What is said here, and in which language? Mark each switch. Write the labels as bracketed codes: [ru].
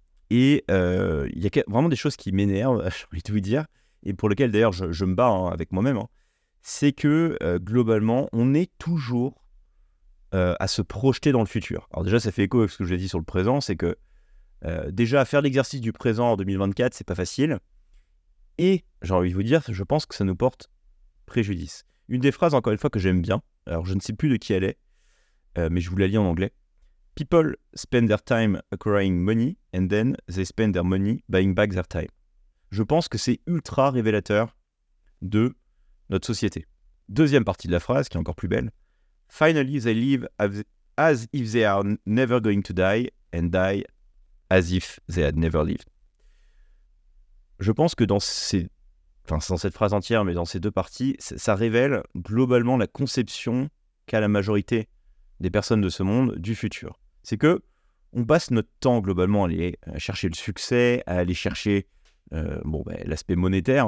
[fr] Et il y a vraiment des choses qui m'énervent, j'ai envie de vous dire, et pour lesquelles d'ailleurs je me bats hein, avec moi-même, hein, c'est que globalement, on est toujours à se projeter dans le futur. Alors déjà, ça fait écho avec ce que je vous ai dit sur le présent, c'est que déjà, faire l'exercice du présent en 2024, c'est pas facile. Et j'ai envie de vous dire, je pense que ça nous porte préjudice. Une des phrases, encore une fois, que j'aime bien, alors je ne sais plus de qui elle est, mais je vous la lis en anglais. [en] People spend their time acquiring money and then they spend their money buying back their time. [fr] Je pense que c'est ultra révélateur de notre société. Deuxième partie de la phrase, qui est encore plus belle. [en] Finally, they live as if they are never going to die and die as if they had never lived. [fr] Je pense que enfin, c'est dans cette phrase entière, mais dans ces deux parties, ça révèle globalement la conception qu'a la majorité des personnes de ce monde du futur. C'est que on passe notre temps globalement à aller chercher le succès, à aller chercher l'aspect monétaire.